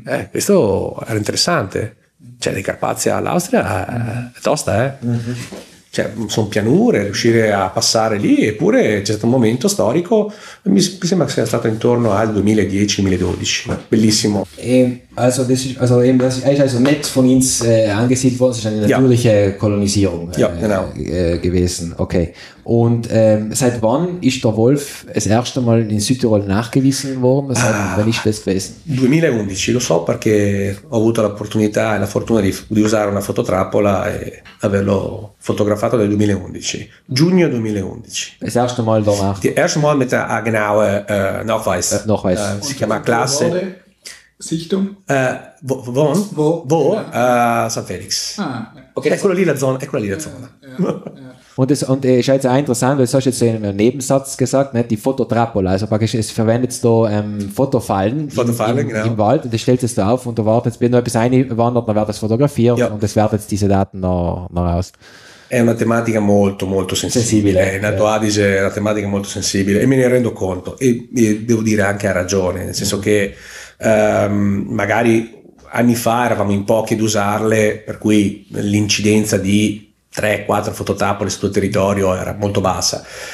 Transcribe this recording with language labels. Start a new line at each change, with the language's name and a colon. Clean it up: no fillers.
Italian: Questo era interessante, cioè dai Carpazi all'Austria è tosta, cioè sono pianure, riuscire a passare lì, eppure c'è stato un momento storico, mi sembra che sia stato intorno al 2010-2012, bellissimo.
German: Also nicht von uns angesiedelt worden, es ist eine natürliche Kolonisierung gewesen, okay. Und seit wann ist der Wolf das erste Mal in Südtirol nachgewiesen worden? Wann ist das gewesen?
Italian: 2011, lo so, perché ho avuto l'opportunità e la fortuna di usare una fototrappola e averlo fotografato nel 2011. Giugno 2011.
German: Das erste Mal danach. Das erste Mal mit einem genauen Nachweis. Nachweis.
Italian: Si chiama Klasse.
German: Sichtung? Wo? San Felix. Ah,
Italian: okay. È quella lì la zona.
German: Und es ist auch interessant, weil du hast jetzt so einen Nebensatz gesagt, ne, die Fototrappola, also praktisch, es verwendet da Fotofallen im Wald, und das stellt es da auf und da wartet jetzt, wenn du etwas einwandert, dann wird das fotografiert und das wertet jetzt diese Daten noch aus.
Italian: È una tematica molto molto sensibile. In Alto Adige è una tematica molto sensibile e me ne rendo conto, e devo dire anche ha ragione, nel senso che magari anni fa eravamo in pochi ad usarle, per cui l'incidenza di 3-4 fototrappole sul tuo territorio era molto bassa.